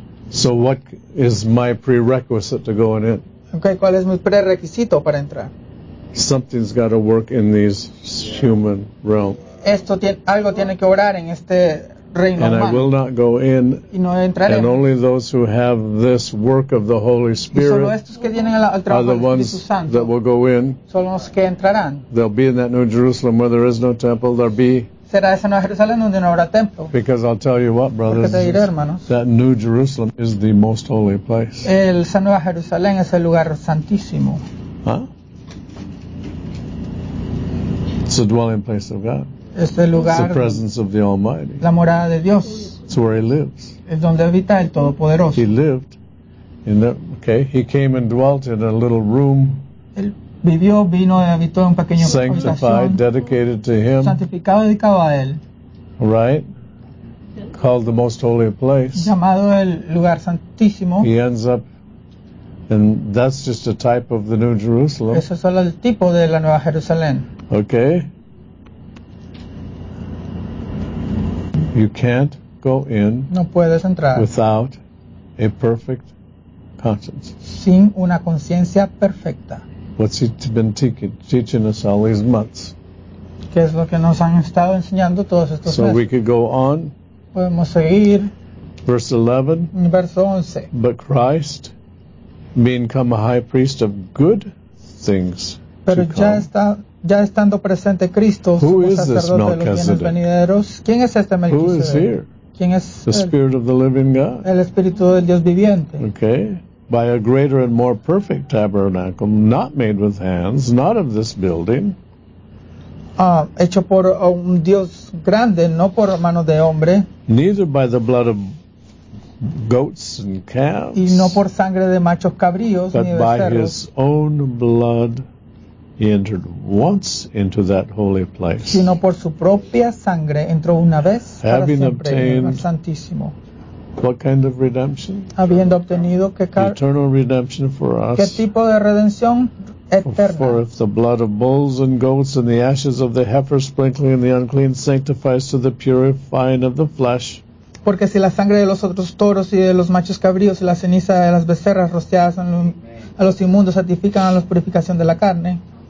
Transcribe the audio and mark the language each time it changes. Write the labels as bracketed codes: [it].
[en] So what is my prerequisite to going in? [es] Okay, ¿cuál es mi prerequisito para entrar? [en] Something's got to work in these human realm. [es] Esto tiene, algo tiene que obrar en este reino [en] and [es] humano. [en] I will not go in [es] y no entraré. [en] And only those who have this work of the Holy Spirit [es] y solo estos que tienen el trabajo [en] are the ones [es] del Espíritu Santo, [en] that will go in. [es] Solo los que entrarán. [en] They'll be in that New Jerusalem where there is no temple. There'll be [es] será esa Nueva Jerusalén donde no habrá templo. [en] Because I'll tell you what, brothers, [es] porque te diré, hermanos, [en] that New Jerusalem is the most holy place. [es] El San Nueva Jerusalén es el lugar santísimo. Huh? [en] It's the dwelling place of God. [es] Este lugar, [en] it's the presence of the Almighty. [es] La morada de Dios. [en] It's where he lives. [es] Es donde habita el Todopoderoso. [en] He lived in the, okay, he came and dwelt in a little room. [es] Él vivió, vino, habitó en un pequeño [en] sanctified, dedicated to him. [es] Santificado, dedicado a él. [en] Right? called the most holy place. [es] Llamado el lugar santísimo. [en] He ends up, and that's just a type of the New Jerusalem. [es] Eso es solo el tipo de la Nueva Jerusalén. [en] Okay. You can't go in. [es] No puedes entrar. [en] Without a perfect conscience. [es] Sin una conciencia perfecta. [en] What's he been teaching us all these months? [es] ¿Qué es lo que nos han estado enseñando todos estos meses? [en] So we could go on. [es] Podemos seguir. [en] Verse 11. [es] Verso 11. [en] But Christ, being come a high priest of good things. [es] Pero ya está, ya estando presente Cristo, [en] who [es] como sacerdote de los bienes venideros. ¿Quién es este Melquisedec? [en] Who is here? [es] ¿Quién es [en] the Spirit of the living God? [es] El Espíritu del Dios viviente. [en] Okay. By a greater and more perfect tabernacle, not made with hands, not of this building. [es] Hecho por un Dios grande, no por mano de hombre. [en] Neither by the blood of goats and calves. [es] Y no por sangre de machos cabríos, [en] but [es] ni de [en] by [es] cerros. [en] His own blood he entered once into that holy place. [es] Sino por su propia sangre entró una vez [en] having [es] para siempre [en] obtained [es] en el Santísimo. [en] What kind of redemption? [es] Habiendo obtenido que [en] eternal redemption for us. [es] ¿Qué tipo de redención eterna? [en] For if the blood of bulls and goats and the ashes of the heifer sprinkling the unclean sanctifies to the purifying of the flesh. [es] Porque si la sangre de los otros toros y de los machos cabríos y la ceniza de las becerras rociadas a los inmundos santifican a la purificación de la carne.